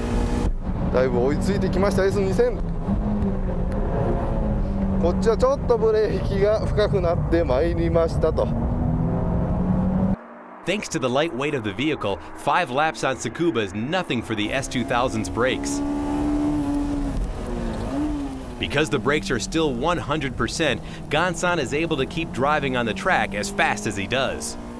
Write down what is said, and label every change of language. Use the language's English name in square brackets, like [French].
[English] Straight away, the brake is going to be a problem. [Japanese] こっちはちょっとブレーキが深くなってまいりましたと。 [English] Thanks to the light weight of the vehicle, 5 laps on Tsukuba is nothing for the S2000's brakes. Because the brakes are still 100%, Gansan is able to keep driving on the track as fast as he does.